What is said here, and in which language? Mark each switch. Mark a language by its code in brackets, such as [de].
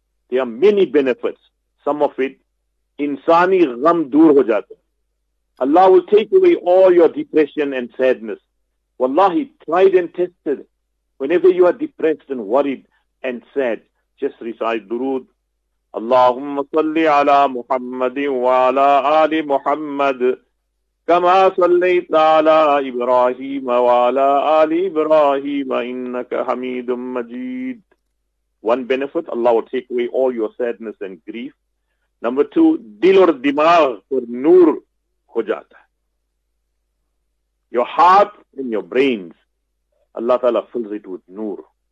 [en] There are many benefits. Some of it, [ur] insani gham dur ho jata. [en] Allah will take away all your depression and sadness. Wallahi, tried and tested. Whenever you are depressed and worried and sad, just recite durood. [ar] اللهم صل على محمد وعلى آل محمد كما صليت على إبراهيم وعلى آل إبراهيم إنك حميد مجيد. [en] One benefit, Allah will take away all your sadness and grief. Number two, [ur] dil aur dimag par noor ho jata. [en] Your heart and your brains, Allah Ta'ala fills it with noor.